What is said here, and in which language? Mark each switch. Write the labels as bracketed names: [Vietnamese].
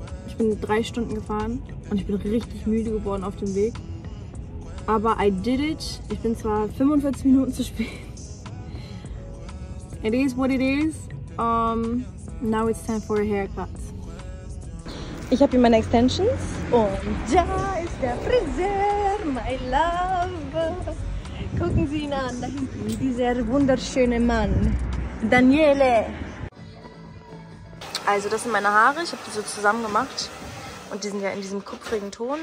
[German] Ich bin 3 Stunden gefahren und ich bin richtig müde geworden auf dem Weg. Aber [English] I did it. [German] Ich bin zwar 45 Minuten zu spät. [English] It is what it is. Now it's time for a haircut. [German] Ich habe hier meine Extensions. Und da ist der Friseur, [English] my love. [German] Gucken Sie ihn an, da hinten. Dieser wunderschöne Mann. Daniele. Also das sind meine Haare. Ich habe die so zusammen gemacht. Und die sind ja in diesem kupfrigen Ton.